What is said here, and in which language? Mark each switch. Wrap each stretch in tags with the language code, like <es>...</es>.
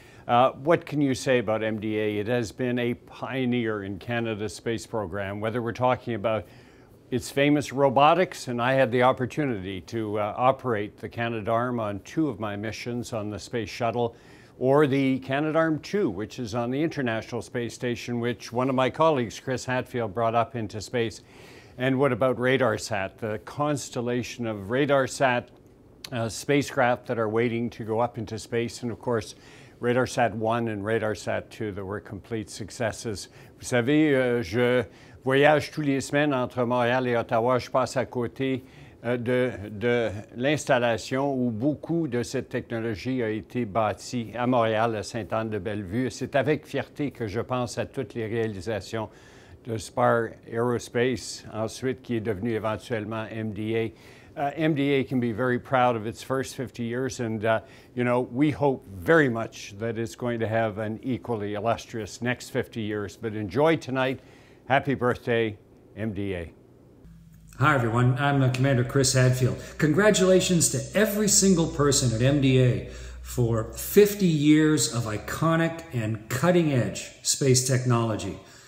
<en>What can you say about MDA? It has been a pioneer in Canada's space program, whether we're talking about its famous robotics, and I had the opportunity to operate the Canadarm on two of my missions on the space shuttle, or the Canadarm2, which is on the International Space Station, which one of my colleagues, Chris Hadfield, brought up into space. And what about RadarSat, the constellation of RadarSat spacecraft that are waiting to go up into space? And of course, RadarSat 1 and RadarSat 2 that were complete successes.</en> <fr>Vous savez, je voyage toutes les semaines entre Montréal et Ottawa. Je passe à côté de l'installation où beaucoup de cette technologie a été bâtie à Montréal, à Sainte-Anne-de-Bellevue. C'est avec fierté que je pense à toutes les réalisations de Spar Aerospace, ensuite qui est devenu éventuellement MDA.</fr> <en>MDA can be very proud of its first 50 years, and you know, we hope very much that it's going to have an equally illustrious next 50 years. But enjoy tonight. Happy birthday, MDA. Hi everyone, I'm Commander Chris Hadfield. Congratulations to every single person at MDA for 50 years of iconic and cutting-edge space technology.</en>